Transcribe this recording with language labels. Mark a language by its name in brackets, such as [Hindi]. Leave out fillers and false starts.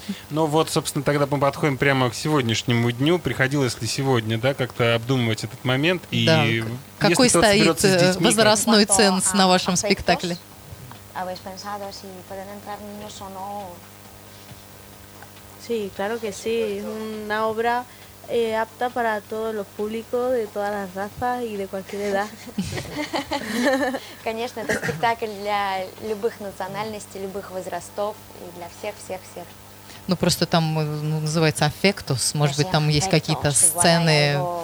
[Russian] Ну вот, собственно, тогда мы подходим прямо к сегодняшнему дню. Приходилось ли сегодня, да, как-то обдумывать этот момент? Да. Какой стоит возрастной ценз на вашем спектакле? [Spanish] habéis pensado si pueden entrar niños o no? Sí, claro que sí. Es una obra apta para todos los públicos, de todas las razas y de cualquier edad. [Russian] Конечно, это спектакль для любых национальностей, любых возрастов и для всех-всех-всех. Ну, просто там называется «Аффектус». Может быть, там есть какие-то сцены...